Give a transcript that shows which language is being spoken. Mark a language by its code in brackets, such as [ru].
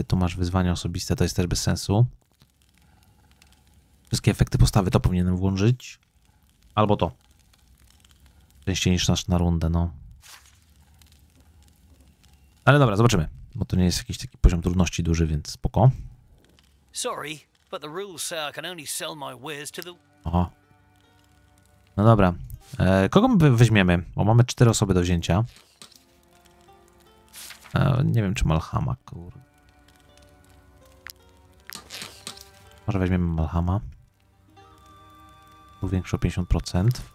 [pl] Tu masz wyzwanie osobiste. To jest też bez sensu. Wszystkie efekty postawy to powinienem włączyć. Albo to. Częściej niż nasz na rundę, no. Ale dobra, zobaczymy. Bo to nie jest jakiś taki poziom trudności duży, więc spoko. [en] Sorry, but the rules say I can only sell my wares to the... [pl] Aha. No dobra. Kogo my weźmiemy? Bo mamy 4 osoby do wzięcia. Nie wiem, czy Malhama, kurde. Może weźmiemy Malhama. Był większy o 50%.